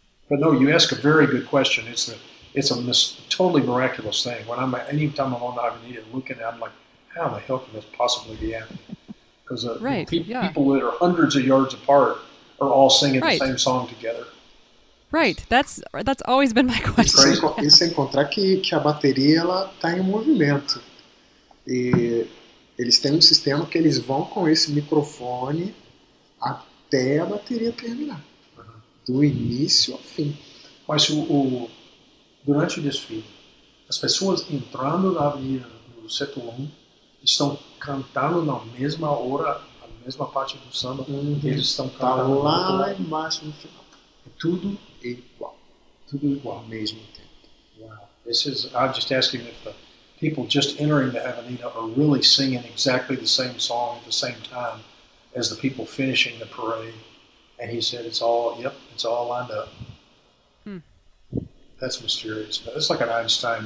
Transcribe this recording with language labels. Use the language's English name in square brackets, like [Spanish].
[English] But no, you ask a very good question. It's a totally miraculous thing. When anytime I'm on the avenida looking at it, I'm like, how the hell can this possibly be happening? Because right, people that are hundreds of yards apart are all singing right. The same song together. Right, that's always been my question. [Portuguese] E se encontrar que a bateria ela está em movimento. E eles têm um sistema que eles vão com esse microfone até a bateria terminar. Do início ao fim. Mas durante o desfile, as pessoas entrando na avenida do setor 1 estão cantando na mesma hora, a mesma parte do samba, eles estão cantando. Está lá embaixo no final. É tudo igual. Tudo igual, ao mesmo tempo. [English] Wow. I'm just asking if the people just entering the avenida are really singing exactly the same song at the same time as the people finishing the parade. And he said, it's all lined up. That's mysterious. But it's like an Einstein.